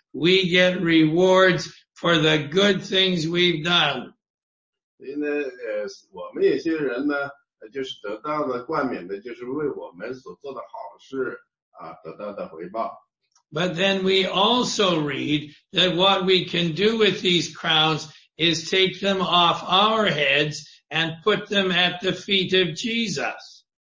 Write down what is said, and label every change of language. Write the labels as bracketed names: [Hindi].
[English] We get rewards for the good things we've done. [Chinese] 所以呢，我们有些人呢，就是得到了冠冕的，就是为我们所做的好事啊，得到的回报。 [English] But then we also read that what we can do with these crowns is take them off our heads and put them at the feet of Jesus.